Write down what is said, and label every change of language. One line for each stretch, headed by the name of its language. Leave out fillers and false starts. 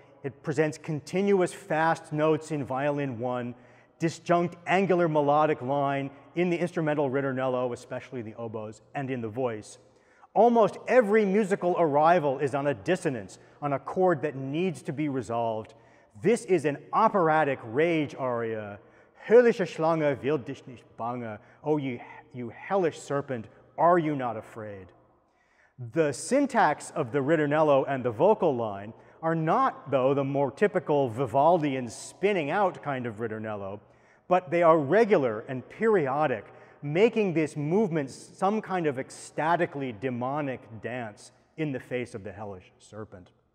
English: It presents continuous fast notes in violin 1, disjunct angular melodic line in the instrumental ritornello, especially the oboes, and in the voice. Almost every musical arrival is on a dissonance, on a chord that needs to be resolved. This is an operatic rage aria.
German: Höllische Schlange, will dich nicht bange.
English: Oh, you hellish serpent, are you not afraid? The syntax of the ritornello and the vocal line are not, though, the more typical Vivaldian spinning out kind of ritornello, but they are regular and periodic, making this movement some kind of ecstatically demonic dance in the face of the hellish serpent.